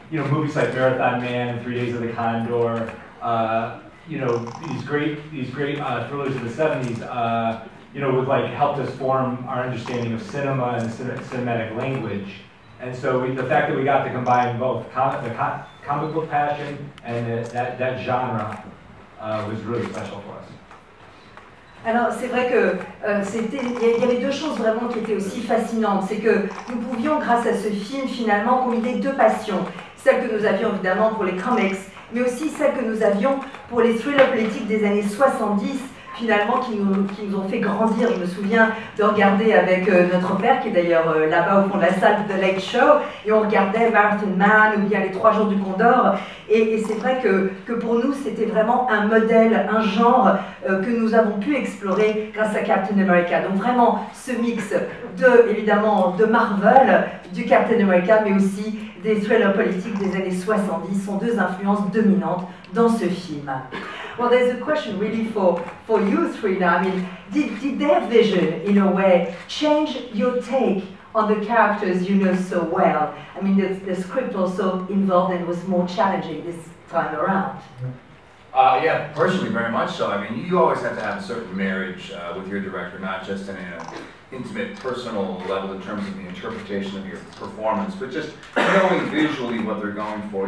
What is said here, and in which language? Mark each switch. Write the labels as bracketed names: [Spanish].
[English] Movies like Marathon Man, 3 Days of the Condor, these great thrillers of the 70s, helped us form our understanding of cinema and cinematic language. And so the fact that we got to combine both comic book passion and that genre was really special for us. [French] Alors, c'est vrai que il y avait deux choses vraiment qui étaient aussi fascinantes. C'est que nous pouvions, grâce à ce film, finalement, combiner deux passions. Celle que nous avions, évidemment, pour les comics, mais aussi celle que nous avions pour les thrillers politiques des années 70, finalement, qui nous ont fait grandir. Je me souviens de regarder avec notre père, qui est d'ailleurs là-bas au fond de la salle de Late Show, et on regardait Marathon Man, ou bien les 3 jours du Condor. Et c'est vrai que pour nous, c'était vraiment un modèle, un genre que nous avons pu explorer grâce à Captain America. Donc vraiment, ce mix de Marvel, du Captain America, mais aussi des thrillers politiques des années 70 sont deux influences dominantes dans ce film. [English] Well, there's a question really for you three now. I mean, did their vision, in a way, change your take on the characters you know so well? I mean, the script also involved and was more challenging this time around. Yeah, personally, very much so. I mean, you always have to have a certain marriage with your director, not just in an intimate, personal level in terms of the interpretation of your performance, but just knowing visually what they're going for.